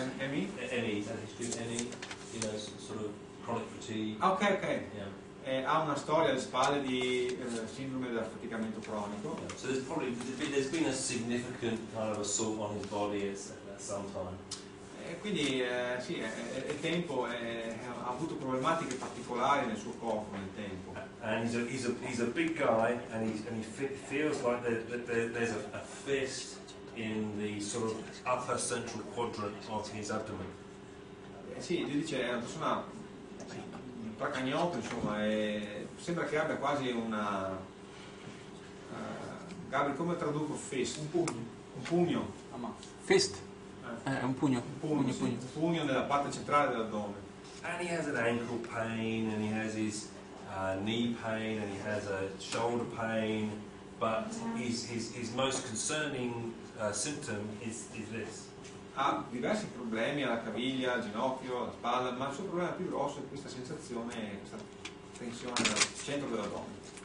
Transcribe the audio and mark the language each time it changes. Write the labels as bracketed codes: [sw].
[en] ME, he's had a history of ME, you know, sort of chronic fatigue. Okay. Yeah. [it] Ha una storia alle spalle di sindrome dell'affaticamento cronico. [en] So there's been a significant kind of assault on his body at some time. [it] Quindi sì, è tempo, ha avuto problematiche particolari nel suo corpo nel tempo. [en] And he's a big guy and he feels like there's a fist in the sort of upper central quadrant of his abdomen. [it] Sì, lui dice è una persona tracagnotto, insomma, e sembra che abbia quasi una. Gabri, come traduco fist? Un pugno. [en] Fist. [it] Un pugno nella parte centrale dell'addome. [en] And he has an ankle pain, and he has his knee pain, and he has a shoulder pain, but his most concerning symptom is this. [it] ha diversi problemi alla caviglia, al ginocchio, alla spalla, ma il suo problema più grosso è questa sensazione, questa tensione al centro dell'addome.